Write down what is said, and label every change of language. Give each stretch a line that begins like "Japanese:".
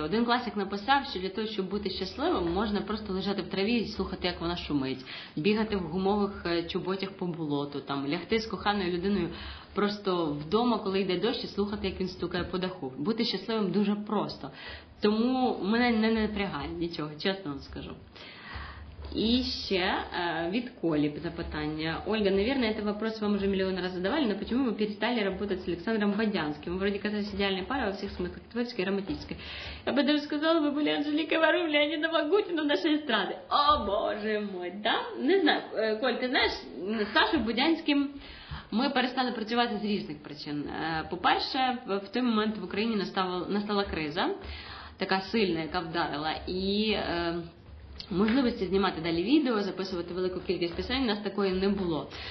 Ukrainian: Один класик написав, що для того, щоб бути щасливим, можна просто лежати в траві і слухати, як вона шумить, бігати в гумових чоботях по болоту, там, лягти з коханою людиною просто вдома, коли йде дощ, і слухати, як він стукає по даху. Бути щасливим дуже просто. Тому мене не напрягає нічого, чесно вам скажу.
Russian: И еще
Ukrainian: від Коли запитання.
Russian: Ольга, наверное, этот вопрос вам уже миллион раз задавали, но почему вы перестали работать с Александром Бадянским? Вроде казалось идеальной парой во всех смыслах, творческой и романтической. Я бы даже сказала, вы были Анжеликой Варум, Леонида Вагутина нашей эстрады. О, боже мой, да? Не знаю, Коль, ты знаешь, с Сашей Бадянским мы перестали
Ukrainian: працювати з різних причин. По-перше, в той момент в Україні настала криза, така сильна, яка вдарила, і можливості знімати далі відео, записувати велику кількість пісень, у нас такої не було.